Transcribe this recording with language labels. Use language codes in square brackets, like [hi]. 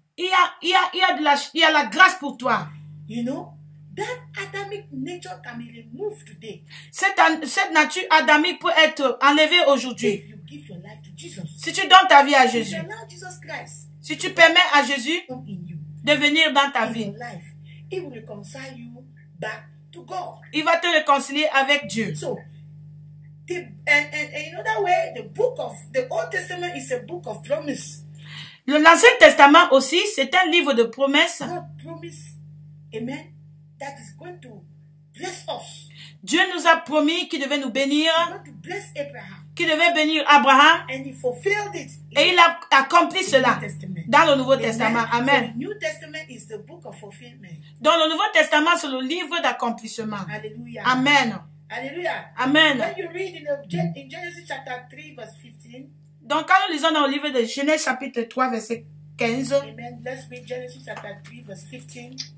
[fr] Il y a de la grâce pour toi. [en] You know, That Adamic nature can be removed today. [fr] Cette nature adamique peut être enlevée aujourd'hui. [en] If you give your life to Jesus, [fr] si tu donnes ta vie à Jésus, [en] if you allow Jesus Christ, [fr] si tu permets à Jésus de venir dans ta vie, [en] life, he will reconcile you back to God. [fr] Il va te réconcilier avec Dieu. [en] So, in other way, the book of the Old Testament is a book of promise. [fr] Le Ancien Testament aussi, c'est un livre de promesses. [en] God promise, amen. That is going to bless us. [fr] Dieu nous a promis qu'il devait nous bénir. [en] To bless Abraham. [fr] Qu'il devait bénir Abraham. [en] And he fulfilled it. [fr] Et il a accompli cela dans le Nouveau Testament. [en] Amen. So the New Testament is the book of fulfillment. [fr] Dans le Nouveau Testament, c'est le livre d'accomplissement. Alléluia. [en] Amen. [fr] Alléluia. [en] Amen. When you read in Genesis chapter 3 verse 15. [fr] Donc quand nous lisons dans le livre de Genèse chapitre 3 verset 15. [en] Amen. Let's read Genesis chapter 3 verse 15.